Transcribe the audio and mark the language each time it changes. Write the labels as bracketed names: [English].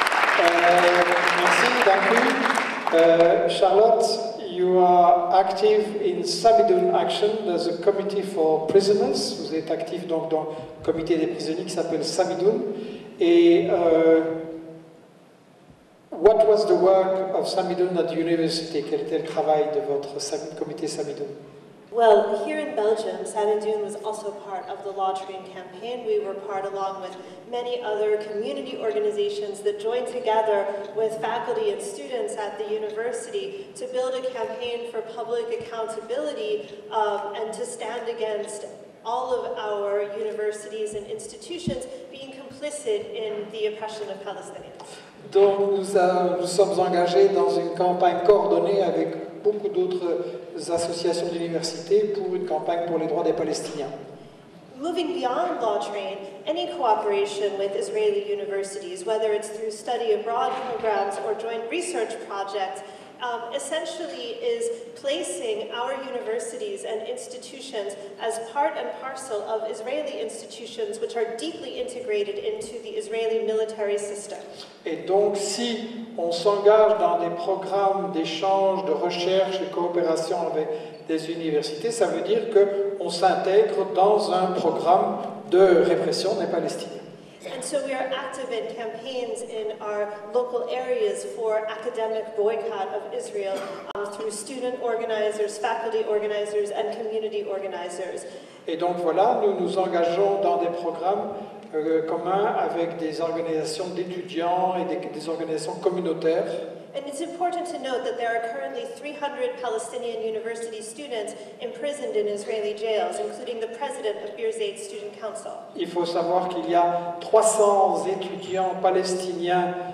[French] Merci, [English] thank you. Charlotte, you are active in Sabidun Action, there's a committee for prisoners. [French] Vous êtes active donc dans le comité des prisonniers qui s'appelle Sabidun. [English] Et what was the work of Sabidun at the university? [French] Quel était le travail de votre comité Sabidun? [English] Well, here in Belgium, Sabidun was also part of the Law Train campaign. We were part along with many other community organizations that joined together with faculty and students at the university to build a campaign for public accountability and to stand against all of our universities and institutions being complicit in the oppression of Palestinians. [French] Donc nous sommes engagés dans une campagne coordonnée avec beaucoup d'autres associations d'université pour une campagne pour les droits des Palestiniens. [English] Moving beyond Law Train, any cooperation with Israeli universities, whether it's through study abroad programs or joint research projects, essentially is placing our universities and institutions as part and parcel of Israeli institutions which are deeply integrated into the Israeli military system. [French] Et donc si on s'engage dans des programmes d'échange, de recherche et coopération avec des universités, ça veut dire qu'on s'intègre dans un programme de répression des Palestiniens. [English] And so we are active in campaigns in our local areas for academic boycott of Israel through student organizers, faculty organizers, and community organizers. [French] Et donc voilà, nous nous engageons dans des programmes communs avec des organisations d'étudiants et des organisations communautaires. [English] And it's important to note that there are currently 300 Palestinian university students imprisoned in Israeli jails, including the president of Bir Zeit Student Council. [French] Il faut savoir qu'il y a 300 étudiants palestiniens